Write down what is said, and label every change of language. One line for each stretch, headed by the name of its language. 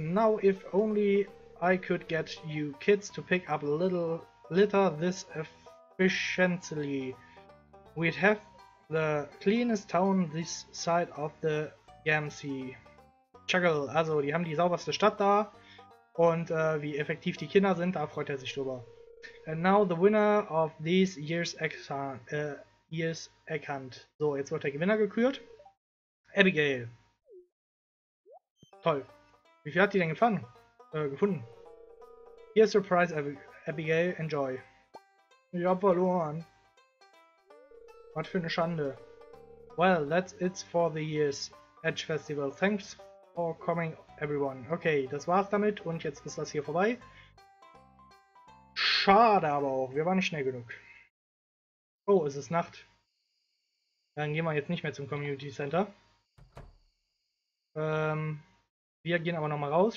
English: Now if only I could get you kids to pick up a little litter this efficiently. We'd have the cleanest town this side of the Gamsey.
German: Chuckle, also die haben die sauberste Stadt da. Und wie effektiv die Kinder sind, da freut er sich drüber.
English: And now the winner of this year's egg hunt.
German: So, jetzt wird der Gewinner gekürt. Abigail. Toll. Wie viel hat die denn gefunden?
English: Here's your prize, Abigail. Enjoy.
German: Ich hab verloren. Was für eine Schande.
English: Well, that's it for the year's Edge Festival. Thanks for coming, everyone.
German: Okay, das war's damit und jetzt ist das hier vorbei. Schade aber auch, wir waren nicht schnell genug. Oh, es ist Nacht. Dann gehen wir jetzt nicht mehr zum Community Center. Wir gehen aber nochmal raus.